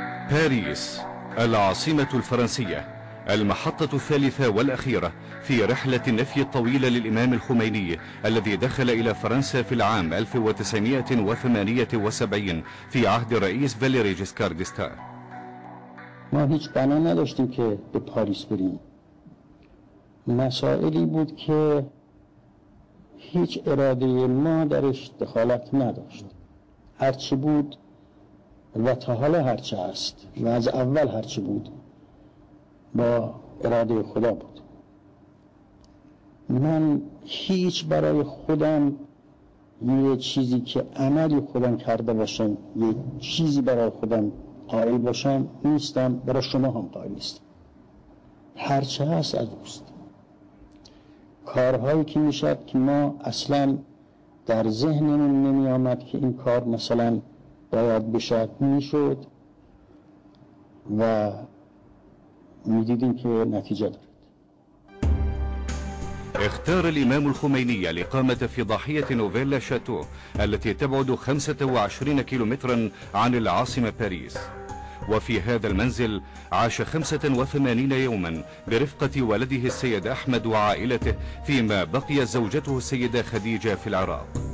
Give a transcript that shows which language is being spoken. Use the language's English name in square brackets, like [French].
[Arabic] باريس العاصمة الفرنسية، المحطة الثالثة والأخيرة في رحلة النفي الطويلة للإمام الخميني الذي دخل إلى فرنسا في العام 1978 في عهد الرئيس فاليري جيسكار ديستان. [Persian] ما هیچ بنا نداشتیم که به پاریس بریم. مسائلی بود که هیچ اراده ما درش دخالت نداشت. هرچی بود و تا حالا هرچی هست و از اول هرچی بود با اراده خدا بود. من هیچ برای خودم یه چیزی که عملی خودم کرده باشم، یه چیزی برای خودم قائل باشم نیستم، برای شما هم قائل نیستم. هرچه هست از اوست. کارهایی که میشد که ما اصلا در ذهنمون نمی آمد که این کار مثلا باید بشد، میشد و می دیدیم که نتیجه دارد. [Arabic] اختار الإمام الخميني الإقامة في ضاحية نوفيلا شاتو التي تبعد 25 كيلومترا عن العاصمة باريس. وفي هذا المنزل عاش 85 يوما برفقة ولده السيد أحمد وعائلته، فيما بقي زوجته السيدة خديجة في العراق.